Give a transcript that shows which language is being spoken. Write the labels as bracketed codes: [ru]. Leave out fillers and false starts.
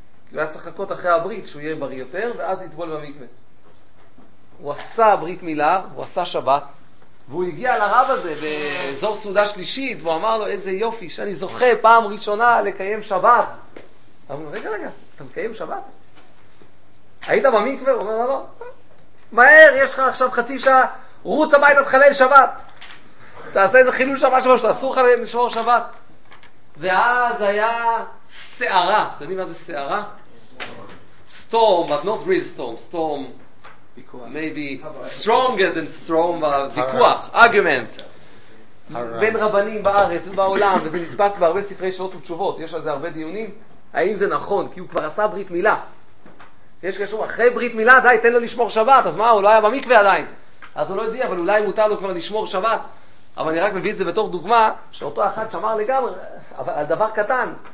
[he] הוא היה צריך לחכות אחרי הברית שהוא יהיה בריא יותר ואז יטבול במקווה. הוא עשה ברית מילה, הוא עשה שבת, והוא הגיע לרב הזה באזור סעודה שלישית והוא אמר לו איזה יופי שאני זוכה פעם ראשונה לקיים שבת. אמרו, רגע, רגע, אתה מקיים שבת? היית במקווה? הוא אומר, לא, לא. מהר, יש לך עכשיו חצי שעה, רוץ הביתה, תחלל שבת. תעשה איזה חילול שבת שבת, שאסור לך לשמור שבת. ואז היה סערה. אתם יודעים מה זה סערה? [en] Storm, but not real storm. Storm, maybe stronger than storm, [he] ויכוח, [en] argument. [he] בין רבנים בארץ ובעולם, וזה נתפס בהרבה ספרי שאלות ותשובות. יש על זה הרבה דיונים. האם זה נכון? כי הוא כבר עשה ברית מילה. יש קשור, אחרי ברית מילה, די, תן לו לשמור שבת. אז מה, הוא לא היה במקווה עדיין. אז הוא לא יודע, אבל אולי מותר לו כבר לשמור שבת. אבל אני רק מביא את זה בתור דוגמה, שאותו אחד שמר לגמרי, על דבר קטן.